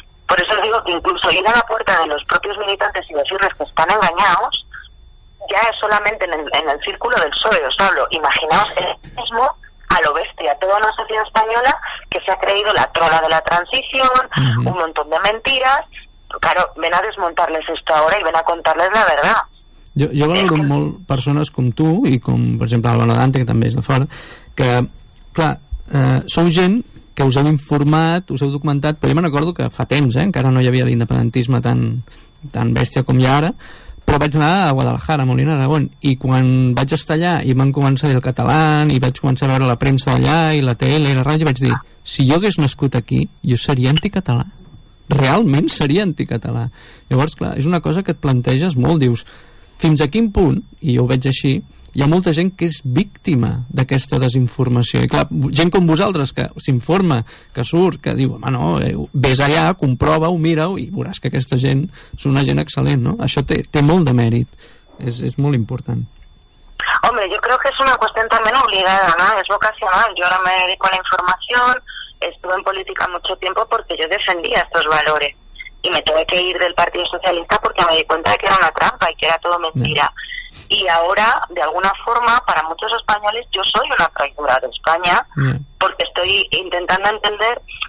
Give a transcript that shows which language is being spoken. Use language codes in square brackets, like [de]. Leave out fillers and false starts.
[es] Por eso os digo que incluso ir a la puerta de los propios militantes y decirles que están engañados ya es solamente en el círculo del PSOE, os hablo. Imaginaos el mismo a lo bestia, toda una sociedad española que se ha creído la trola de la transición, un montón de mentiras. Claro, ven a desmontarles esto ahora y ven a contarles la verdad. [ca] Jo valoro molt persones com tu i com, per exemple, Alona Dante, que també és de fora, que, clar, sou gent que us heu informat, us heu documentat, però jo me'n recordo que fa temps, encara no hi havia l'independentisme tan bèstia com hi ha ara, però vaig anar a Guadalajara, a Molina d'Aragón, i quan vaig estar allà i van començar a dir el català i vaig començar a veure la premsa d'allà i la tele i la ràdio, vaig dir, si jo hagués nascut aquí, jo seria anticatalà. Realment seria anticatalà. Llavors, clar, és una cosa que et planteges molt, dius, fins a quin punt, i jo ho veig així, hi ha molta gent que és víctima d'aquesta desinformació. I clar, gent com vosaltres, que s'informa, que surt, que diu, home, no, vés allà, comprova-ho, mira-ho, i veuràs que aquesta gent és una gent excel·lent, no? Això té molt de mèrit. És molt important. [es] Hombre, yo creo que es una cuestión también obligada, ¿no? Es vocacional. Yo ahora me dedico a la información, estuve en política mucho tiempo porque yo defendía estos valores. Y me tuve que ir del Partido Socialista porque me di cuenta de que era una trampa y que era todo mentira. Y ahora, de alguna forma, para muchos españoles, yo soy una traidora de España porque estoy intentando entender.